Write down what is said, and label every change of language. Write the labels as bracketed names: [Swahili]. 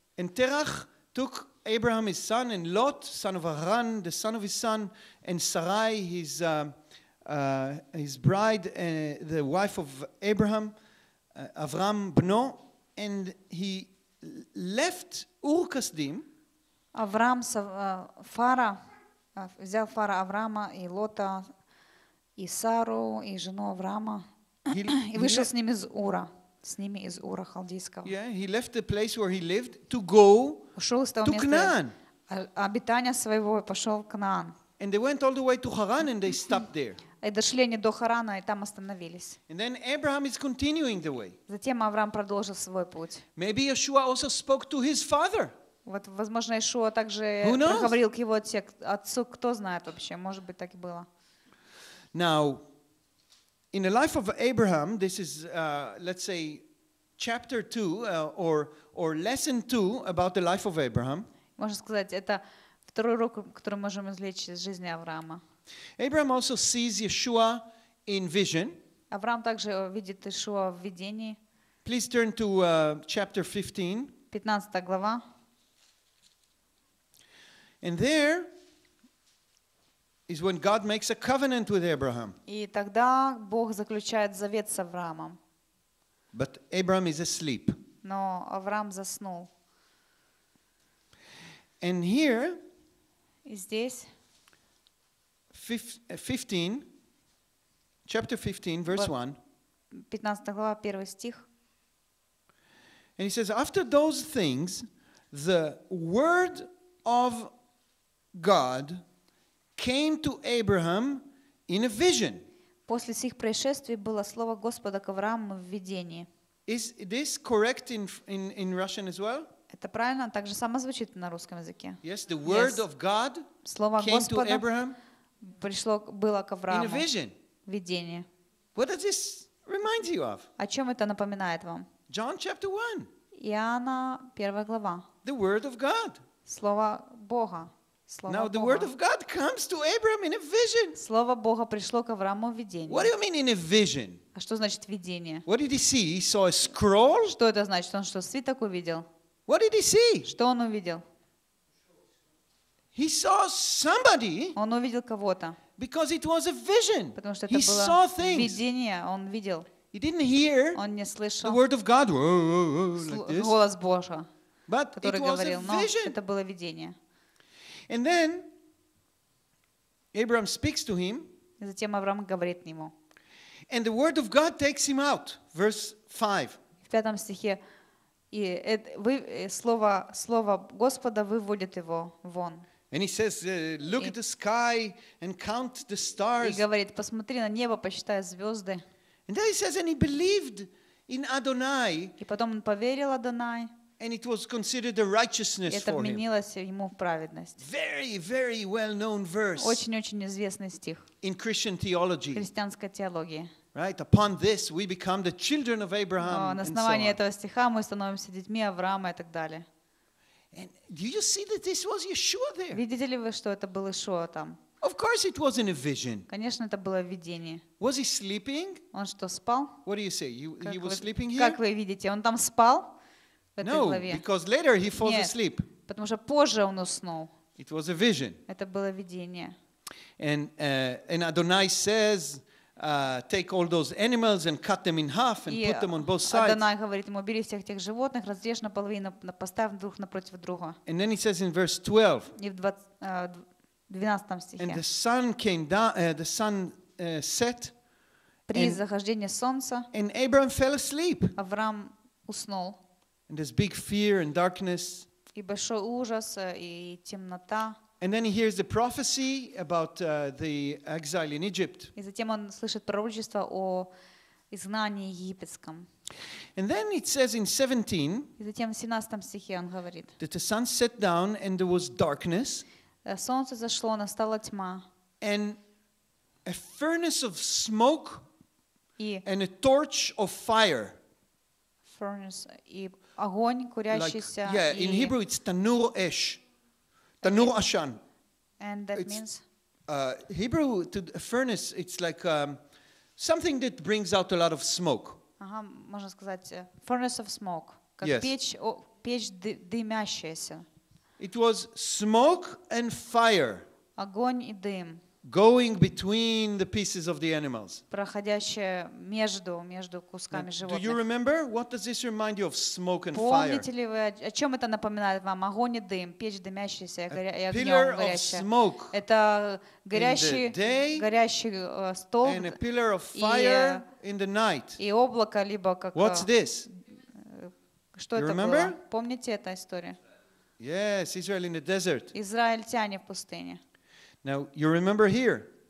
[English] And Terach took Abraham his son and Lot, son of Haran, the son of his son, and Sarai, his bride, the wife of Abraham, [Hebrew] Avram bno, [English] and he left Ur Kasdim. [Russian] Авраам Фара взял Фара Авраама и Лота и Сару и жену Авраама и вышел с ним из Ура. С ними из Ура халдейского. [English] Yeah, he left the place where he lived to go to Canaan. [Russian] Обитания своего пошел в Кнаан. [English] And they went all the way to Haran and they stopped there. [Russian] И дошли они до Харана и там остановились. [English] And then Abraham is continuing the way. [Russian] Затем Авраам продолжил свой путь. [English] Maybe Yeshua also spoke to his father. [Russian] Вот, возможно, Иешуа также проговорил к его отцу. Кто знает вообще? Может быть, так и было. [English] Now. In the life of Abraham, this is, let's say, chapter 2 or lesson 2 about the life of Abraham. [Russian] Можно сказать, это второй урок, который можем извлечь из жизни Авраама. [English] Abraham also sees Yeshua in vision. [Russian] Авраам также видит Иешуа в видении. [English] Please turn to chapter 15. [Russian] 15 глава. [English] And there is when God makes a covenant with Abraham. [Russian] И тогда Бог заключает завет с Авраамом. [English] But Abraham is asleep. [Russian] Но Авраам заснул. [English] And here, [Russian] и здесь, [English] 15, chapter 15, verse 1. [Russian] 15 глава, 1 стих. [English] And he says, after those things, the word of God came to Abraham in a vision. [Russian] После сих происшествий было слово Господа к Аврааму в видении. [English] Is this correct in Russian as well? [Russian] Это правильно, так же само звучит на русском языке. [English] Yes, the word of God came to Abraham. [Russian] Пришло было к Аврааму. [English] In a vision. [Russian] Видение. [English] What does this remind you of? [Russian] О чем это напоминает вам? [English] John chapter 1. [Russian] Иоанна 1 глава. [English] The word of God. [Russian] Слово Бога. Слово [English] Now The word of God comes to Abraham in a vision. [Russian] Слово Бога пришло к Аврааму в видении. [English] What do you mean in a vision? [Russian] А что значит видение? [English] What did he see? He saw a scroll? [Russian] Что это значит? Он что, свиток увидел? [English] What did he see? [Russian] Что он увидел? [English] He saw somebody. [Russian] Он увидел кого-то. [English] Because it was a vision. [Russian] Потому что это было видение. Он видел. [English] He didn't hear. [Russian] Он не слышал. [English] The word of God. Like this. [Russian] Голос Божий. [English] But it was [Russian] говорил, [English] a vision. [Russian] Это было видение. [English] And then Abraham speaks to him. [Russian] И затем Авраам говорит ему. [English] And the word of God takes him out. Verse 5. [Russian] В пятом стихе. И слово Господа выводит его вон. [English] And he says, look at the sky and count the stars. [Russian] И говорит, посмотри на небо, посчитай звезды. [English] And then he says, and he believed in Adonai. [Russian] И потом он поверил Адонай. [English] And it was considered a righteousness for him. [Russian] Это вменилось ему в праведность. [English] Very, very well-known verse. [Russian] Очень-очень известный стих. [English] In Christian theology. [Russian] Христианской теологии. [English] Right, upon this we become the children of Abraham. [Russian] Но на основании этого стиха мы становимся детьми Авраама и так далее. [English] And do you see that this was Yeshua there? [Russian] Видите ли вы, что это был Иешуа там? [English] Of course it was in a vision. [Russian] Конечно, это было видение. [English] Was he sleeping? [Russian] Он что, спал? [English] What do you say? He was sleeping here? [Russian] Как вы видите, он там спал в этой главе? [English] No, because later he falls asleep. [Russian] Потому что позже он уснул. [English] It was a vision. [Russian] Это было видение. [English] And Adonai says, take all those animals and cut them in half and put them on both sides. [Russian] Адонай говорит ему, бери всех тех животных, разрежь наполовину, поставь друг напротив друга. [English] And then he says in verse 12. [Russian] И в 12 стихе. [English] And the sun came down, the sun set. [Russian] При захождении солнца. [English] And Abraham fell asleep. [Russian] Авраам уснул. [English] And there's big fear and darkness. [Russian] И большой ужас и темнота. [English] And then he hears the prophecy about the exile in Egypt. [Russian] И затем он слышит пророчество о изгнании египетском. [English] And then it says in 17. [Russian] И затем в 17 стихе он говорит. [English] That the sun set down and there was darkness. [Russian] Солнце зашло, настала тьма. [English] And a furnace of smoke. [Russian] И [English] and a torch of fire. [Russian] Furnace и огонь курящийся. [English] Like, yeah, in Hebrew it's [Hebrew] tanur esh. Tanur Ashan. [English] And that it's, means? Hebrew, to a furnace, it's like something that brings out a lot of smoke. [Russian] Можно сказать, [English] furnace of smoke. [Russian] Как [English] yes. [Russian] Печь дымящаяся. [English] It was smoke and fire. [Russian] Огонь и дым. [English] Going between the pieces of the animals. [Russian] Проходящая между кусками животных. [English] Do you remember? What does this remind you of? Smoke and fire. [Russian] Помните ли вы, о чем это напоминает вам? Огонь и дым, печь дымящаяся, и огнем горящая. Это горящий столб. [English] And a pillar of fire in the night. [Russian] И облако либо как. [English] What's this? [Russian] Что это было? Помните эту историю? [English] Yes, Israel in the desert. [Russian] Израильтяне в пустыне. [English] Now you remember here.